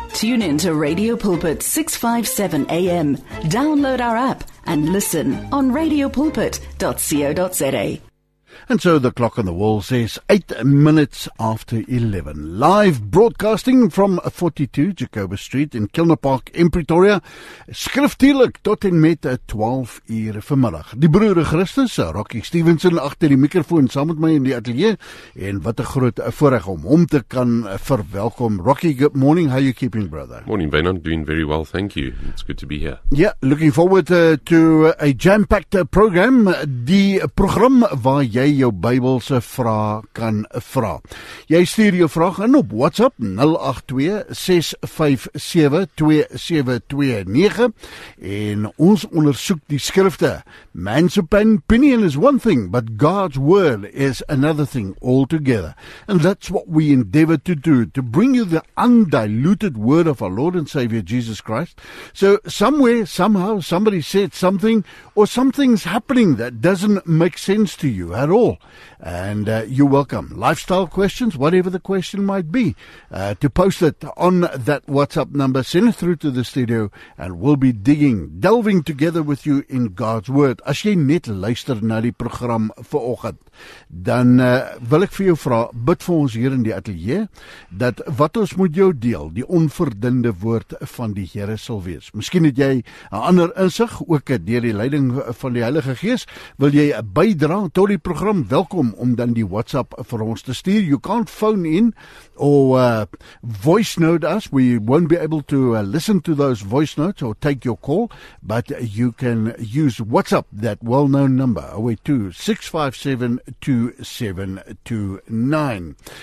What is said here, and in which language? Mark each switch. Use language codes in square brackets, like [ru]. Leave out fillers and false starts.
[en] Tune in to Radio Pulpit 657 AM. Download our app and listen on radiopulpit.co.za. And so the clock on the wall says 8 minutes after 11. Live broadcasting from 42 Jacoba Street in Kilner Park in Pretoria. [af] Skriftuurlik tot en met 12 uur vanmiddag. Die broer Christus, Rocky Stevenson, agter die mikrofoon saam met my in die ateljee. En wat 'n groot voorreg om hom te kan verwelkom. [en] Rocky, good morning. How are you keeping, brother? Morning, Ben. I'm doing very well, thank you. It's good to be here. Yeah, looking forward to a jam-packed program. [af] Die program waar jy jou Bybelse vraag kan vra. Jy stuur jou vraag in op WhatsApp 082-657-2729 en ons ondersoek die skrifte. [en] Man's opinion is one thing, but God's word is another thing altogether. And that's what we endeavor to do, to bring you the undiluted word of our Lord and Savior Jesus Christ. So somewhere, somehow, somebody said something or something's happening that doesn't make sense to you at all. And you're welcome. Lifestyle questions, whatever the question might be, to post it on that WhatsApp number, send it through to the studio, and we'll be delving together with you in God's Word. [af] As jy net luister na die program vanoggend, dan wil ek vir jou vra, bid vir ons hier in die atelier, dat wat ons moet jou deel, die onverdunde woord van die Here sal wees. Miskien het jy 'n ander insig, ook deur die leiding van die Heilige Gees, wil jy bydra tot die program. Welkom om dan die WhatsApp vir ons te stuur. [en] You can't phone in or voice note us. We won't be able to listen to those voice notes or take your call, but you can use WhatsApp, that well-known number, 082-657-2729.